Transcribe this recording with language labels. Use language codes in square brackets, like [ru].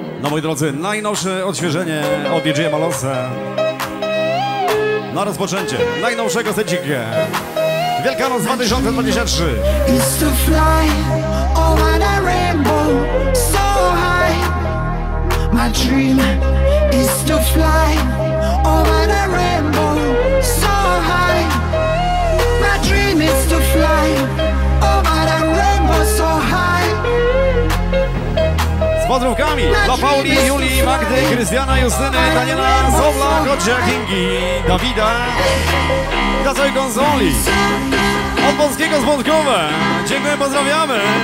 [pl] Moi drodzy, najnowsze odświeżenie od DJ Malosa na rozpoczęcie najnowszego secikie Wielkanoc 2023. [en] It's to fly over the rainbow so high. My dream is to fly over the rainbow so high. My dream is to fly over the rainbow so high. [pl] Pozdrówkami dla Pauli, Julii, Magdy, Krystiana, Justyny, Daniela, Zobla, Kocia, Kingi, Dawida, dla całej konsoli, od polskiego z Wątkowe. Dziękuję, pozdrawiamy!